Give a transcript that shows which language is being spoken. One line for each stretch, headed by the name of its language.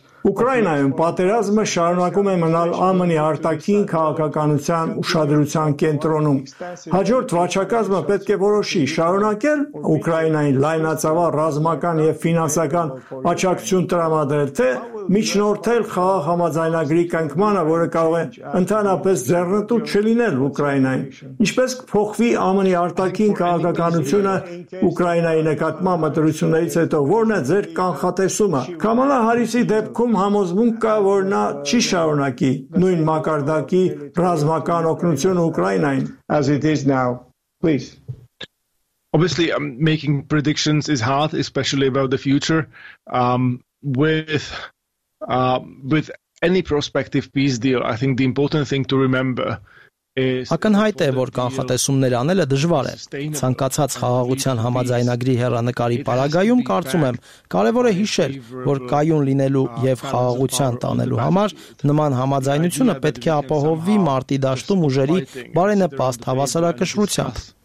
Armenian: Ուկրաինայում պատերազմը շարունակում է մնալ ԱՄՆ-ի արտաքին քաղաքականության ուշադրության կենտրոնում։ Հաջորդ վարչակազմը պետք է որոշի շարունակել Ուկրաինայի լայնածավալ ռազմական եւ ֆինանսական աջակցություն տրամադրել, թե միջնորդել խաղաղ համաձայնագրի կանգմանը, որը կարող է ընդհանրապես ձեռնտու չլինել Ուկրաինային։ Ինչպես կփոխվի ԱՄՆ-ի արտաքին քաղաքականությունը Ուկրաինայի նկատմամբ մտրություններից հետո, որն է ձեր կանխատեսումը։ Կամալա Հարիսի դեպքում Կում համոզվում կա, որ նա չի շարունակի նույն մակարդակի ռազմական օգնությունը Ուկրաինային,
English: as it is now. Please. Obviously, making predictions is hard, especially about the future. With any prospective peace deal, I think the important thing to remember
Armenian: Ակնհայտ է, որ կանխատեսումներ անելը դժվար է։ Ցանկացած խաղաղության համաձայնագրի հեռանկարի պարագայում կարծում եմ, կարևոր է հիշել, որ կայուն լինելու եւ խաղաղության տանելու համար նման համաձայնությունը պետք է ապահովվի Մարտի դաշտում ուժերի բարենպաստ հավասարակշռությամբ։